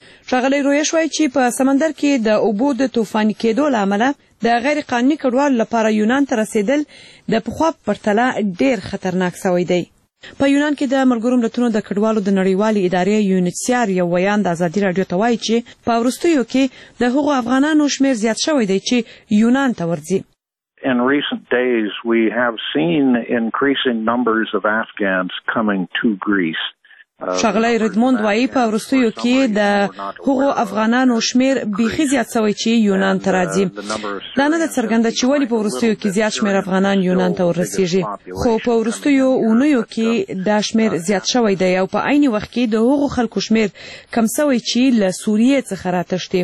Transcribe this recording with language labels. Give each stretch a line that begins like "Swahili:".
Pashto: ښاغلی رویش وایي چې په سمندر کې د اوبو د طوفاني کېدو له امله د غیر قانوني کډوالو لپاره یونان ته رسیدل د پخوا پرتلا ډیر خطرناک سوی دی. په یونان کې د ملګرو ملتونو د کډوالو د نړیوالې ادارې یونیسیار یو ویان د ازادي راډیو ته وایي چې په وروستیو کې د هغو افغانانو شمیر زیات شوی دی چې یونان ته ورځي.
English: In recent days we have seen increasing numbers of Afghans coming to Greece.
Pashto: شغله ردموند وای په وروستیو کې د هغو افغانانو شمیر بیخي زیات شوی چې یونان ته راځي. دا نه ده څرګنده چې ولې په وروستیو کې زیات شمیر افغانان یونان ته ورسیږي، خو په وروستیو اونیو کې دا شمیر زیات شوی دی او په عین وخت کې د هغو خلکو شمیر کم شوی چې له سوریې څخه راتښتي.